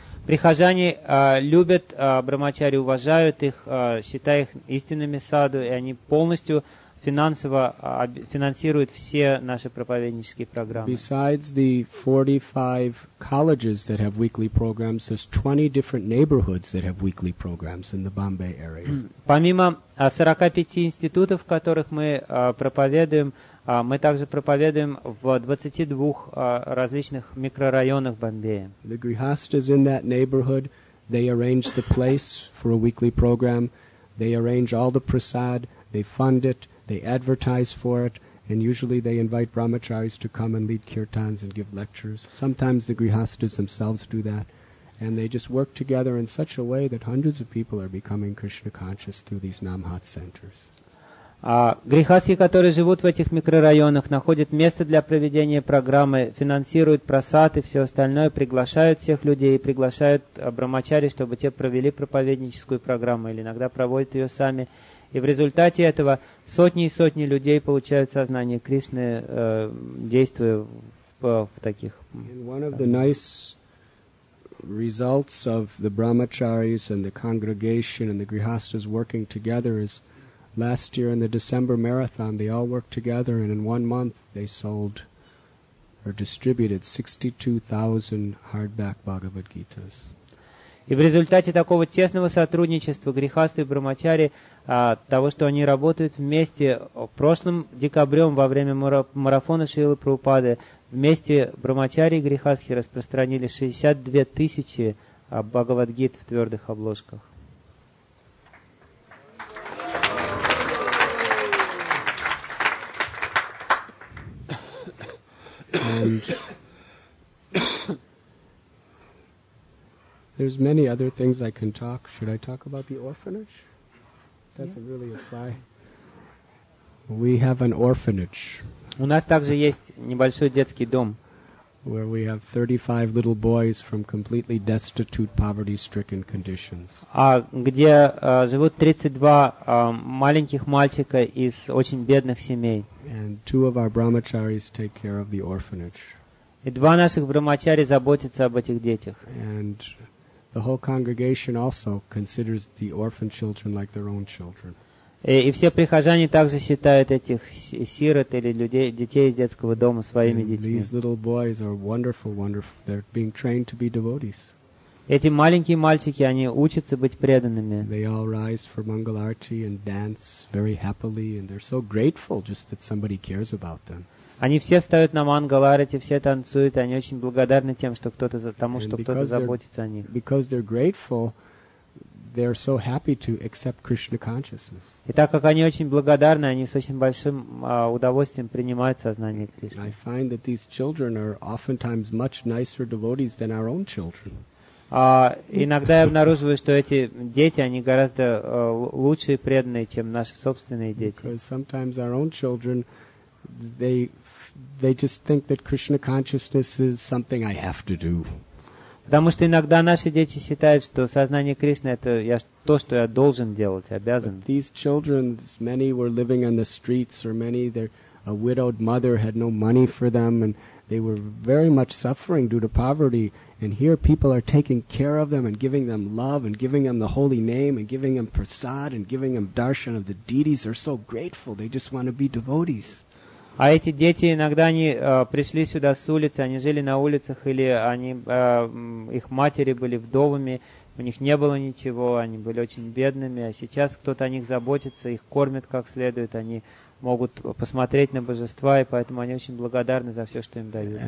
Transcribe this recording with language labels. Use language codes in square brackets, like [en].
[ru] Прихожане любят брахмачари, уважают их, считают их истинными саду, и они полностью финансово финансируют все наши проповеднические программы. [en] Besides the 45 colleges that have weekly programs, there's 20 different neighborhoods that have weekly programs in the Bombay area. [ru] Помимо 45 институтов, в которых мы проповедуем, мы также проповедуем в 22 различных микрорайонах Бомбея. [en] The grihasthas in that neighborhood, they arrange the place for a weekly program, they arrange all the prasad, they fund it, they advertise for it, and usually they invite brahmacharis to come and lead kirtans and give lectures. Sometimes the grihasthas themselves do that, and they just work together in such a way that hundreds of people are becoming Krishna conscious through these Namhat centers. [ru] Грихасхи, которые живут в этих микрорайонах, находят место для проведения программы, финансируют просад и все остальное, приглашают всех людей и приглашают брахмачари, чтобы те провели проповедническую программу или иногда проводят ее сами. И в результате этого сотни и сотни людей получают сознание Кришны, действуя в таких... [en] One of the nice results of the brahmacharis and the congregation and the grihasthas working together is last year in the December marathon, they all worked together and in 1 month they sold or distributed 62,000 hardback Bhagavad Gitas. [ru] И в результате такого тесного сотрудничества грихасты и брахмачари, того, что они работают вместе, прошлым декабрем во время марафона Шрилы Прабхупады, вместе брахмачари и грихасхи распространили 62 тысячи Бхагавадгит в твердых обложках. [en] There's many other things I can talk. Should I talk about the orphanage? Doesn't really apply. We have an orphanage. [ru] У нас также есть небольшой детский дом. [en] Where we have 35 little boys from completely destitute, poverty-stricken conditions. [ru] Где живут 32 маленьких мальчика из очень бедных семей. [en] And two of our brahmacharis take care of the orphanage. [ru] И два наших брахмачари заботятся об этих детях. [en] And the whole congregation also considers the orphan children like their own children. [ru] И все прихожане также считают этих сирот или людей, детей из детского дома своими детьми. [en] These little boys are wonderful, wonderful. They're being trained to be devotees. [ru] Эти маленькие мальчики, они учатся быть преданными. [en] They all rise for Mangal Arati and dance very happily, and they're so grateful just that somebody cares about them. [ru] Они все встают на Мангаларати, все танцуют, и они очень благодарны тем, что кто-то за тому, что кто-то заботится о них. [en] Because they're grateful, they're so happy to accept Krishna consciousness. [ru] И так как они очень благодарны, они с очень большим удовольствием принимают сознание Кришны. [en] I find that these children are oftentimes much nicer devotees than our own children. [ru] Иногда я обнаруживаю, что эти дети, они гораздо лучше и преданные, чем наши собственные дети. [en] Because sometimes our own children, they just think that Krishna consciousness is something I have to do. [ru] Потому что иногда наши дети считают, что сознание Кришны это то, что я должен делать, обязан. [en] These children, many were living on the streets, or many a widowed mother had no money for them, and they were very much suffering due to poverty. And here people are taking care of them and giving them love and giving them the holy name and giving them prasad and giving them darshan of the deities. They're so grateful. They just want to be devotees. [ru] А эти дети иногда они пришли сюда с улицы, они жили на улицах, или они их матери были вдовами, у них не было ничего, они были очень бедными, а сейчас кто-то о них заботится, их кормит как следует, они могут посмотреть на божества, и поэтому они очень благодарны за все, что им дают.